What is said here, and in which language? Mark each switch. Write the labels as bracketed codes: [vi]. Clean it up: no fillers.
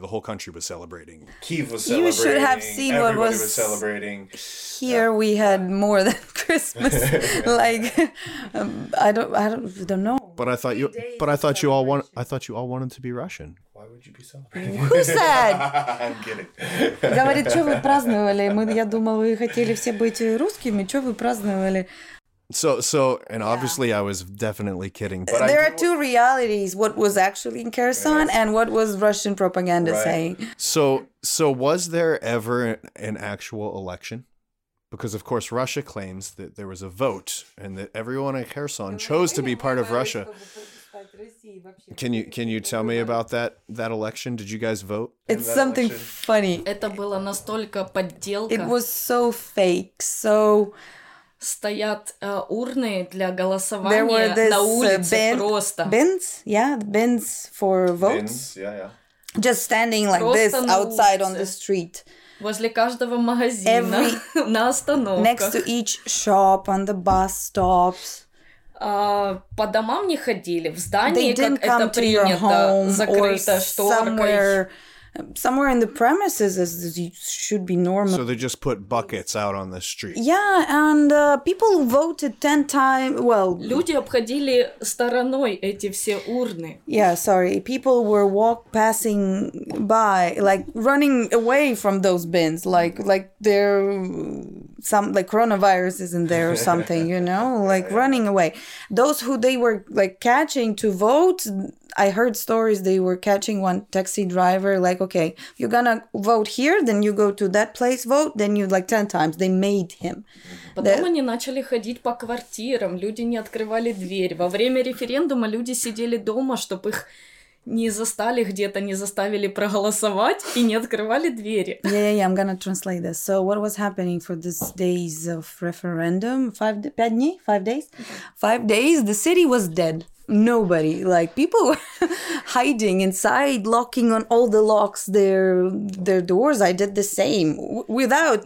[en] The whole country was celebrating. Kyiv was celebrating. You should have seen everybody what was celebrating. Here we had more than Christmas. Like, I don't know. But I thought you all wanted to be Russian. Why would you be celebrating? Who said? I'm kidding. [ru] Говорит, что вы праздновали? Я думал, вы хотели все быть русскими. Что вы праздновали? [en] So, obviously I was definitely kidding. But there are two realities, what was actually in Kherson and what was Russian propaganda saying. So was there ever an actual election? Because, of course, Russia claims that there was a vote and that everyone in Kherson chose to be part of Russia. Can you tell me about that election? Did you guys vote? It's something election? Funny. [ru] Это было настолько подделка. [en] It was so fake, so... [ru] Стоят урны для голосования на улице просто. [en] Bins for votes. Bins. Just standing like this outside on the street. [ru] Возле каждого магазина на остановках. [en] Next to each shop, on the bus stops. [ru] По домам не ходили, в здании, как это принято, закрыто шторкой. [en] Somewhere in the premises, as should be normal. So they just put buckets out on the street. Yeah, and people voted 10 times. Well, [ru] люди обходили стороной эти все урны. [en] Yeah, sorry. People were passing by, like running away from those bins, like they're some like coronavirus is in there or something, you know, like running away. Those who they were like catching to vote. I heard stories they were catching one taxi driver, like, okay, you're gonna vote here, then you go to that place, vote, then you, like, 10 times, they made him. [ru] Потом они начали ходить по квартирам, люди не открывали дверь. Во время референдума люди сидели дома, чтобы их не застали где-то, не заставили проголосовать и не открывали двери. [en] Yeah, I'm gonna translate this. So what was happening for these days of referendum? Five days, the city was dead. Nobody, like people were hiding inside, locking on all the locks, their doors. I did the same without...